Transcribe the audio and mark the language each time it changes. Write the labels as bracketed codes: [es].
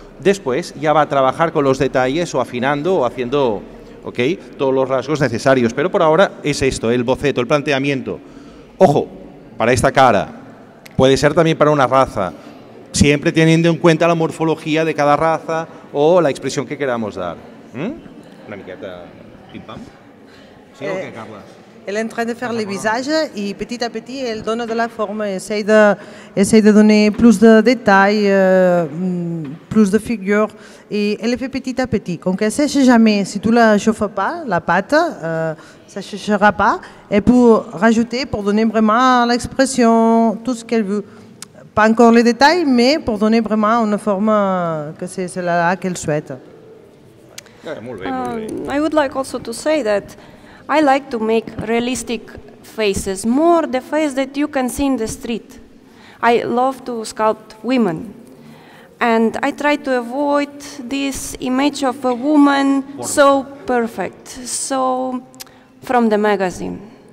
[es] Después ya va a trabajar con los detalles o afinando o haciendo, ok, todos los rasgos necesarios. Pero por ahora es esto, el boceto, el planteamiento. Ojo, para esta cara... Puede ser también para una raza, siempre teniendo en cuenta la morfología de cada raza o la expresión que queramos dar. [ca] Una miqueta pim-pam. [es] Sí, ¿o qué, Carla? [fr] Elle est en train de faire le visage y petit a petit elle donne de la forme, essaye de donner plus de détails, plus de figures. Et elle le fait petit à petit. Donc elle ne sèche jamais, si tu ne la chauffes pas, la pâte, ça ne séchera pas. Et pour rajouter, pour donner vraiment l'expression, tout ce qu'elle veut. Pas encore les détails, mais pour donner vraiment une forme que c'est celle-là qu'elle souhaite. [en] I would like also to say that I like to make realistic faces, more the face that you can see in the street. I love to sculpt women. And I try to avoid this image of a woman so perfect, so from the magazine.